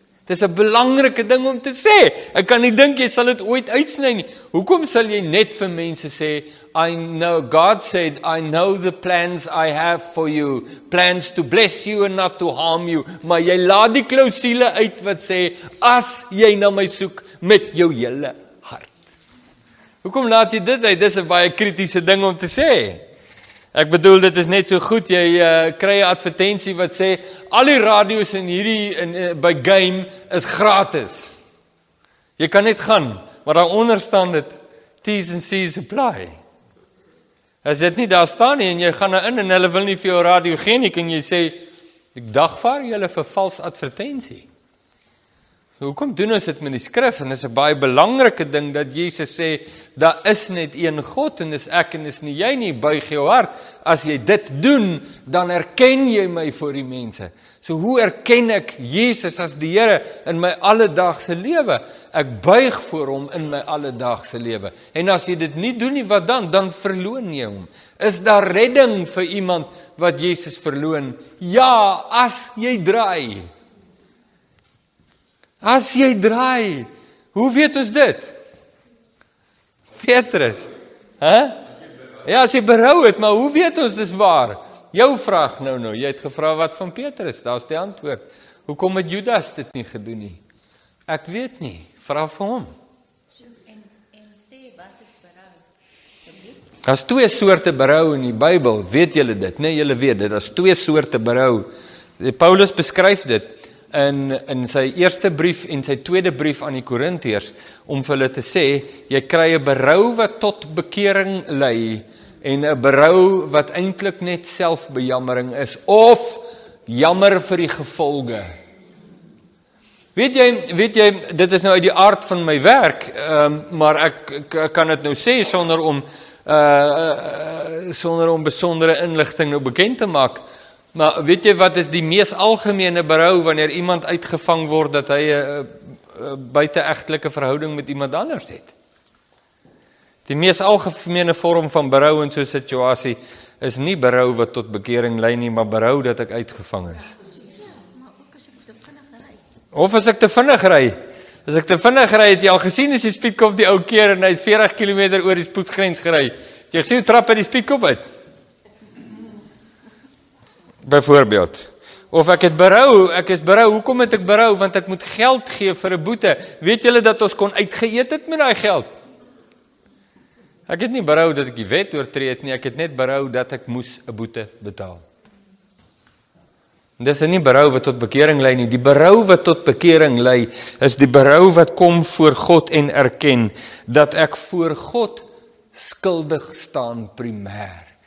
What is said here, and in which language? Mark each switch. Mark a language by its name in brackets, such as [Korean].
[Afrikaans] Dit is 'n belangrike ding om te sê. Ek kan nie dink jy sal dit ooit uitsny nie. Hoekom sal jy net vir mense sê, [English] I know, God said, I know the plans I have for you. Plans to bless you and not to harm you. [Afrikaans] Maar jy laat die klousule uit wat sê, as jy na my soek met jou hele hart. Hoekom laat jy dit uit? Dit is 'n baie kritiese ding om te sê. Ek bedoel, dit is net so goed, jy kry 'n advertensie wat sê, al die radio's in hierdie, by game, is gratis. Jy kan net gaan, maar daaronder staan dit, [English] T's and C's apply. [Afrikaans] As dit nie daar staan nie, en jy gaan nou in, en hulle wil nie vir jou radio gee nie, en jy sê, ek dagvaar julle vir vals advertensie. Hoekom doen ons dit met die skrif? En is 'n baie belangrike ding dat Jesus sê, daar is net een God en is ek en is nie jy nie, buig jou hart. As jy dit doen, dan erken jy my voor die mense. So hoe erken ek Jesus as die Here in my alledaagse lewe? Ek buig voor hom in my alledaagse lewe. En as jy dit nie doen nie, wat dan? Dan verloon jy hom. Is daar redding vir iemand wat Jesus verloon? Ja, as jy draai. As jy draai, hoe weet ons dit? Petrus, hè? Ja, as jy berou het, maar hoe weet ons dis waar? Jou vraag nou, jy het gevra wat van Petrus, daar is die antwoord. Hoekom het Judas dit nie gedoen nie? Ek weet nie, vra vir hom. En sê, wat is berou? Daar is twee soorte berou in die Bybel, weet julle dit? Nee, julle weet dit, daar is twee soorte berou. Paulus beskryf dit in sy eerste brief en sy tweede brief aan die Korintiërs, om vir hulle te sê, jy kry 'n berou wat tot bekering lei, en 'n berou wat eintlik net selfbejammering is, of jammer vir die gevolge. Weet jy, dit is nou uit die aard van my werk, maar ek kan het nou sê sonder om besondere inligting nou bekend te maak, maar weet jy wat is die mees algemene berou wanneer iemand uitgevang word dat hy 'n buite-egtelike verhouding met iemand anders het? Die mees algemene vorm van berou in so'n situasie is nie berou wat tot bekering lei nie, maar berou dat ek uitgevang is. Of as ek te vinnig ry. As ek te vinnig ry, het jy al gesien as die spiek op die ou keer en hy het 40 km oor die spoedgrens gery. Jy gesien hoe trap hy die spiek op uit. Byvoorbeeld. Of ek het berou, ek is berou, hoekom het ek berou? Want ek moet geld gee vir 'n boete. Weet julle dat ons kon uitgeëet het met daai geld? Ek het nie berou dat ek die wet oortree het nie, ek het net berou dat ek moes 'n boete betaal. Dis nie berou wat tot bekering lei nie. Die berou wat tot bekering lei is die berou wat kom voor God en erken dat ek voor God skuldig staan primêr.